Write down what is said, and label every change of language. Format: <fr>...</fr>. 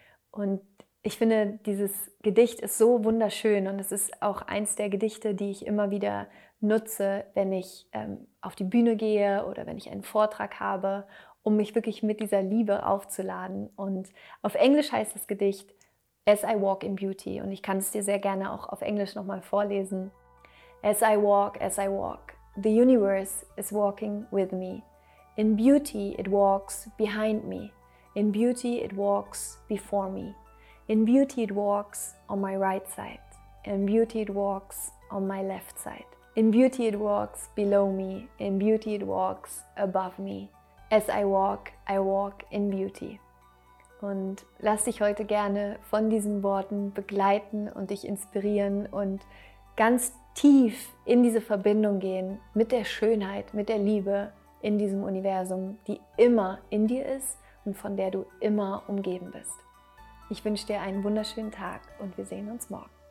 <de>Und ich finde, dieses Gedicht ist so wunderschön und es ist auch eins der Gedichte, die ich immer wieder nutze, wenn ich auf die Bühne gehe oder wenn ich einen Vortrag habe, um mich wirklich mit dieser Liebe aufzuladen. Und auf Englisch heißt das Gedicht As I Walk in Beauty und ich kann es dir sehr gerne auch auf Englisch nochmal vorlesen.</de> <en>As I walk, the universe is walking with me. In beauty it walks behind me. In beauty it walks before me. In beauty it walks on my right side. In beauty it walks on my left side. In beauty it walks below me. In beauty it walks above me. As I walk in beauty.</en> <de>Und lass dich heute gerne von diesen Worten begleiten und dich inspirieren und ganz tief in diese Verbindung gehen mit der Schönheit, mit der Liebe in diesem Universum, die immer in dir ist und von der du immer umgeben bist. Ich wünsche dir einen wunderschönen Tag und wir sehen uns morgen.</de>